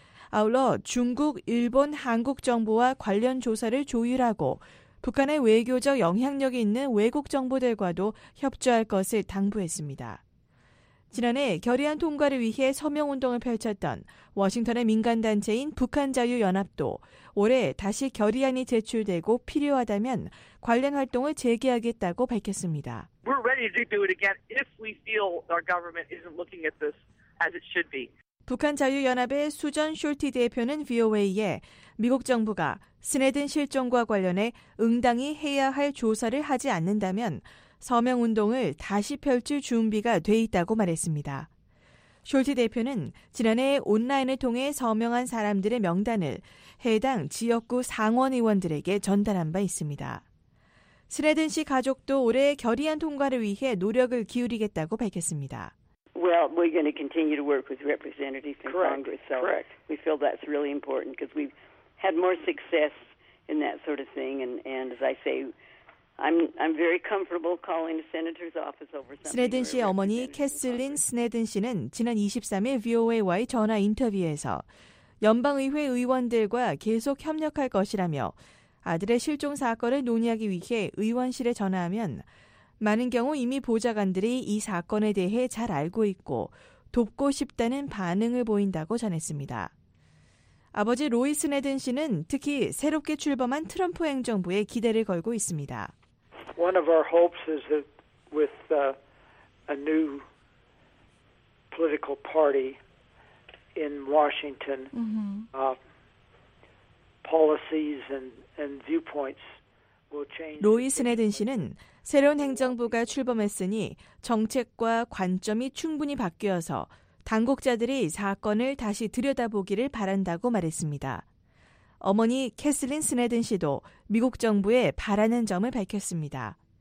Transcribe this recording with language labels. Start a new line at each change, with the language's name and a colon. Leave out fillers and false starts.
Korean: 아울러 중국, 일본, 한국 정부와 관련 조사를 조율하고 북한의 외교적 영향력이 있는 외국 정보들과도 협조할 것을 당부했습니다. 지난해 결의안 통과를 위해 서명운동을 펼쳤던 워싱턴의 민간단체인 북한자유연합도 올해 다시 결의안이 제출되고 필요하다면 관련 활동을 재개하겠다고 밝혔습니다.
English: We're ready to do it again if we feel our government isn't looking at this as it should be.
Korean: 북한자유연합의 수전 숄티 대표는 VOA에 미국 정부가 스네든 실종과 관련해 응당이 해야 할 조사를 하지 않는다면 서명운동을 다시 펼칠 준비가 돼 있다고 말했습니다. 숄티 대표는 지난해 온라인을 통해 서명한 사람들의 명단을 해당 지역구 상원의원들에게 전달한 바 있습니다. 스네든 씨 가족도 올해 결의안 통과를 위해 노력을 기울이겠다고 밝혔습니다.
English: Well, we're going to continue to work with representatives in Congress. So correct. We feel that's really important because we've had more success in that sort of thing. And as I say, I'm very comfortable calling the senator's office over something.
Korean: 스네든 씨의 어머니 캐슬린 스네든 씨는 지난 23일 VOA와의 전화 인터뷰에서 연방의회 의원들과 계속 협력할 것이라며 아들의 실종 사건을 논의하기 위해 의원실에 전화하면 많은 경우 이미 보좌관들이 이 사건에 대해 잘 알고 있고 돕고 싶다는 반응을 보인다고 전했습니다. 아버지 로이 스네든 씨는 특히 새롭게 출범한 트럼프 행정부에 기대를 걸고 있습니다.
English: One of our hopes is that with a new political party in Washington, policies and viewpoints will change.
Korean: 로이 스네든 씨는 새로운 행정부가 출범했으니 정책과 관점이 충분히 바뀌어서 당국자들이 사건을 다시 들여다보기를 바란다고 말했습니다. 어머니 캐슬린 스네든 씨도 미국 정부에 바라는 점을 밝혔습니다.